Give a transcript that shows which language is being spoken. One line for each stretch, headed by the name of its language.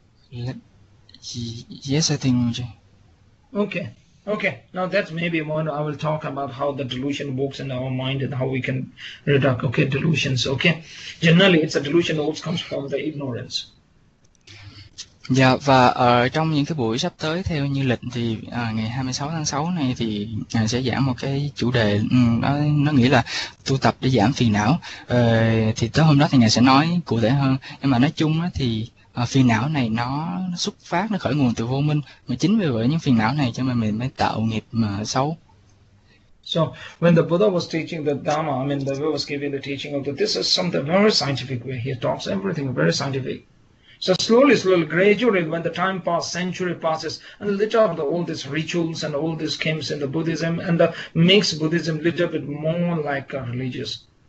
English: Yes, I think, Roger. Okay. Now that's maybe one I will talk about how the delusion works in our mind and how we can reduce. Okay, delusions. Okay, generally it's a delusion always comes from the ignorance.
Vietnamese: Dạ, và ở trong những cái buổi sắp tới theo như lịch thì ngày 26 tháng 6 này thì sẽ giảng một cái chủ đề, nó nghĩa là tu tập để giảm phiền não. Thì tới hôm đó thì ngài sẽ nói cụ thể hơn, nhưng mà nói chung á, thì phiền não này nó xuất phát, nó khởi nguồn từ vô minh, mà chính vì vậy những phiền não này cho nên mình mới tạo nghiệp mà xấu.
English: So when the Buddha was teaching the Dhamma, the Buddha was giving the teaching of that, this is something very scientific way. He talks everything very scientific. So slowly, slowly, gradually, when the time passes, century passes, and little of all these rituals and all these schemes in the Buddhism, and the makes Buddhism a little bit more like a religious.